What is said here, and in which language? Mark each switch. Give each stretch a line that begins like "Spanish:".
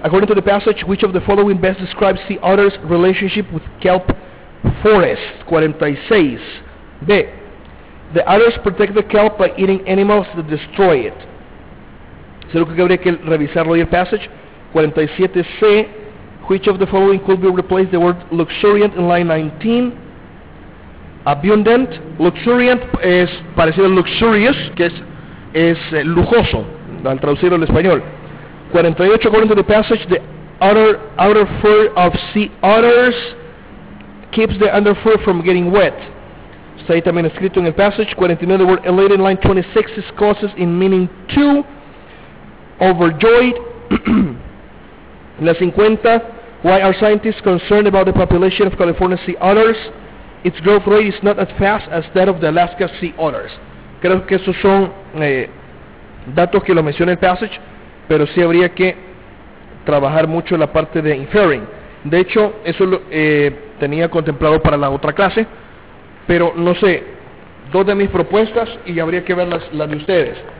English: According to the passage, which of the following best describes sea otter's relationship with kelp forest? 46. B. The otters protect the kelp by eating animals that destroy it.
Spanish: Creo que habría que revisarlo y el passage. 47C.
English: Which of the following could be replaced the word luxuriant in line 19? Abundant.
Spanish: Luxuriant es parecido a luxurious, que es lujoso, al traducirlo al español.
English: 48, according to the passage, the outer fur of sea otters keeps the under fur from getting wet.
Spanish: Está ahí también escrito en el passage.
English: 49, the word elated in line 26 is causes in meaning to, overjoyed. La 50, why are scientists concerned about the population of California sea otters? Its growth rate is not as fast as that of the Alaska sea otters.
Spanish: Creo que esos son datos que lo menciona el passage, pero sí habría que trabajar mucho la parte de inferring. De hecho, eso lo tenía contemplado para la otra clase, pero no sé, dos de mis propuestas y habría que ver las de ustedes.